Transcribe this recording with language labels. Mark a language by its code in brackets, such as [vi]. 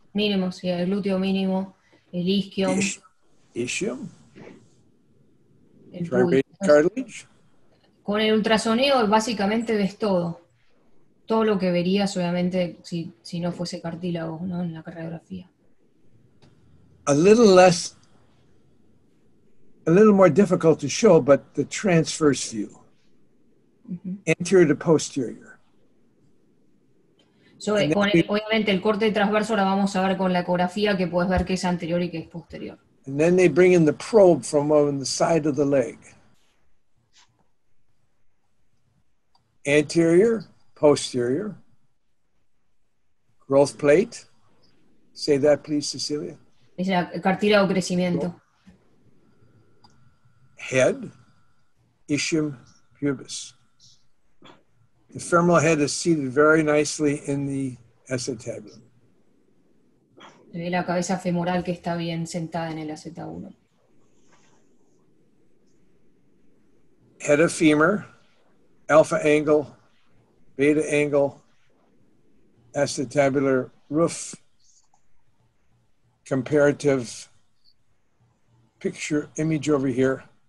[es] Minimus, yeah, gluteo minimo, el ischium. [en] Ischium. Triradiate cartilage. [es] Con el ultrasonido básicamente ves todo. Todo lo que verías obviamente si no fuese cartílago, ¿no? En la radiografía. [en] A little more difficult to show, but the transverse view. Mm-hmm. Anterior to posterior. [es] So, obviamente el corte transverso ahora vamos a ver con la ecografía que puedes ver que es anterior y que es posterior. [en] And then they bring in the probe from on the side of the leg. Anterior, posterior. Growth plate. Say that please, Cecilia. [es] Es la cartílago crecimiento. [en] Head, ischium, pubis. The femoral head is seated very nicely in the acetabulum. [es] La cabeza femoral que está bien sentada en el acetábulo. [en] Head of femur, alpha angle, beta angle, acetabular roof, comparative picture image over here.